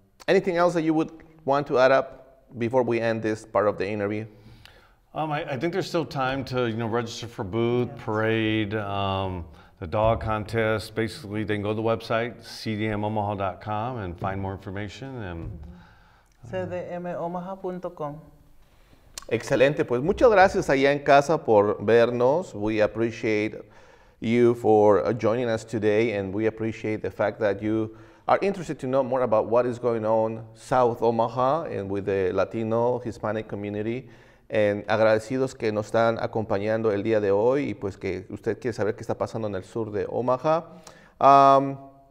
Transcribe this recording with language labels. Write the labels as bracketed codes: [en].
[en] Anything else that you would want to add up before we end this part of the interview? I think there's still time to, register for booth, yes, parade, the dog contest. Basically, they can go to the website, cdmomaha.com, and find more information. cdmomaha.com. [es] Excelente. Pues muchas gracias allá en casa por vernos. [en] We appreciate you for joining us today, and we appreciate the fact that you are interested to know more about what is going on South Omaha and with the Latino Hispanic community. [es] And agradecidos que nos están acompañando el día de hoy, y pues que usted quiere saber qué está pasando en el sur de Omaha.